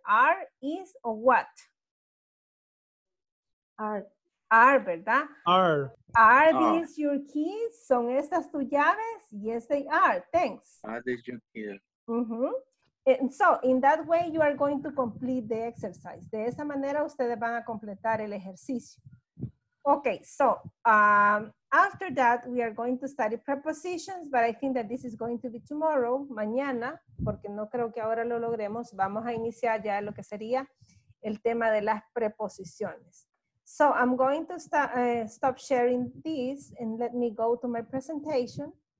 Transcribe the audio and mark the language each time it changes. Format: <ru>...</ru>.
<en>Are, is, o what? Are. Are, ¿verdad? Are. Are these your keys? ¿Son estas tus llaves? Yes, they are. Thanks. Are these your keys? Mm-hmm. And so, in that way, you are going to complete the exercise.</en> <es>De esa manera, ustedes van a completar el ejercicio.</es> <en>Okay, so, after that, we are going to study prepositions, but I think that this is going to be tomorrow, mañana, porque no creo que ahora lo logremos.</en> <es>Vamos a iniciar ya lo que sería el tema de las preposiciones.</es> <en>So I'm going to stop sharing this and let me go to my presentation.</en>